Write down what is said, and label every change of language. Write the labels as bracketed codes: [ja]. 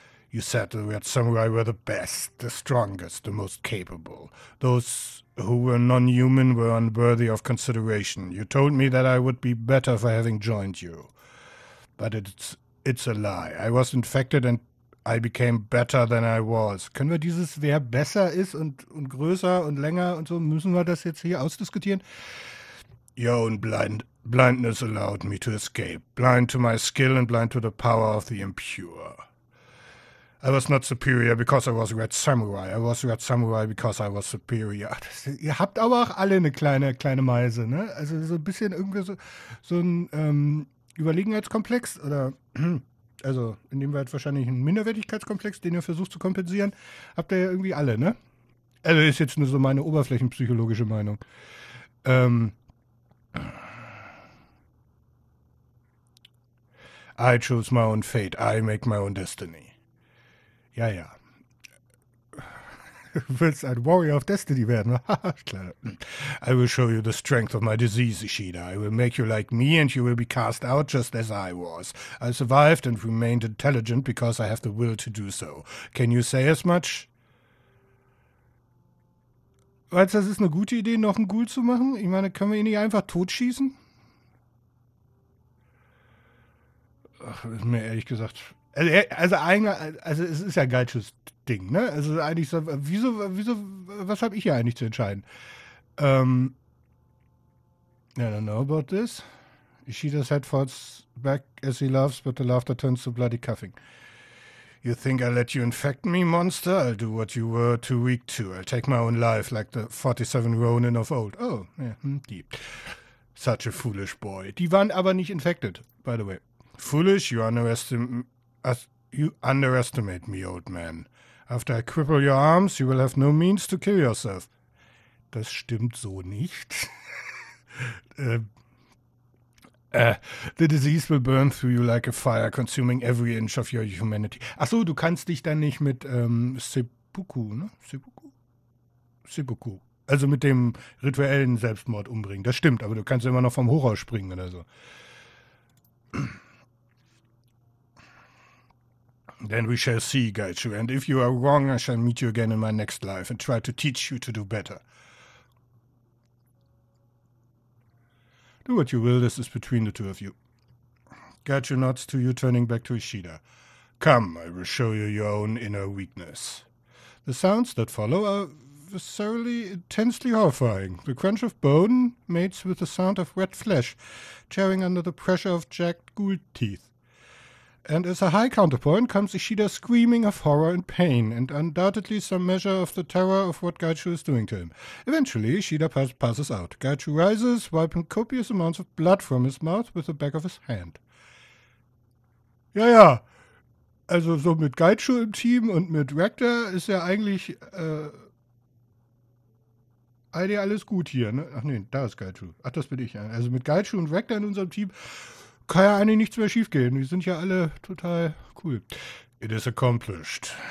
[en] You said the red samurai were the best, the strongest, the most capable. Those who were non-human were unworthy of consideration. You told me that I would be better for having joined you. But it's a lie. I was infected and I became better than I was. [de] Können wir dieses, wer besser ist und größer und länger und so, müssen wir das jetzt hier ausdiskutieren? [en] Your own blindness allowed me to escape. Blind to my skill and blind to the power of the impure. I was not superior because I was Red Samurai. I was Red Samurai because I was superior. [de] Das, ihr habt aber auch alle eine kleine Meise, ne? Also so ein bisschen irgendwie so ein Überlegenheitskomplex oder... Also in dem Fall wahrscheinlich ein Minderwertigkeitskomplex, den ihr versucht zu kompensieren, habt ihr ja irgendwie alle, ne? Also ist jetzt nur so meine oberflächenpsychologische Meinung. [en] I choose my own fate. I make my own destiny. [de] Ja, ja. Du willst ein Warrior of Destiny werden, ne? Klar. [en] I will show you the strength of my disease, Ishida. I will make you like me and you will be cast out just as I was. I survived and remained intelligent because I have the will to do so. Can you say as much? [de] Weißt du, das ist eine gute Idee, noch einen Ghoul zu machen? Ich meine, können wir ihn nicht einfach totschießen? Ach, ist mir ehrlich gesagt... Also es ist ja Geitschus... Ding, ne? Also eigentlich, wieso, was habe ich hier eigentlich zu entscheiden? [en] I don't know about this. Ishida's head falls back as he laughs, but the laughter turns to bloody coughing. You think I let you infect me, monster? I'll do what you were too weak to. I'll take my own life like the 47 Ronin of old. Oh, yeah, deep. Such a foolish boy. [de] Die waren aber nicht [en] infected, by the way. Foolish, you underestimate me, old man. After I cripple your arms, you will have no means to kill yourself. [de] Das stimmt so nicht. [en] the disease will burn through you like a fire, consuming every inch of your humanity. [de] Ach so, du kannst dich dann nicht mit Seppuku, ne? Seppuku. Also mit dem rituellen Selbstmord umbringen. Das stimmt, aber du kannst immer noch vom Hochhaus springen oder so. [en] Then we shall see, Gaichu, and if you are wrong, I shall meet you again in my next life and try to teach you to do better. Do what you will, this is between the two of you. Gaichu nods to you, turning back to Ishida. Come, I will show you your own inner weakness. The sounds that follow are viscerally, intensely horrifying. The crunch of bone mates with the sound of wet flesh, tearing under the pressure of jagged ghoul teeth. And as a high counterpoint comes Ishida's screaming of horror and pain, and undoubtedly some measure of the terror of what Gaichu is doing to him. Eventually, Ishida passes out. Gaichu rises, wiping copious amounts of blood from his mouth with the back of his hand. [de] Ja, ja. Also so mit Gaichu im Team und mit Rector ist ja eigentlich Heidi, alles gut hier. Ne? Ach nee, da ist Gaichu. Ach, das bin ich. Also mit Gaichu und Vector in unserem Team kann ja eigentlich nichts mehr schiefgehen. Wir sind ja alle total cool. [en] It is accomplished.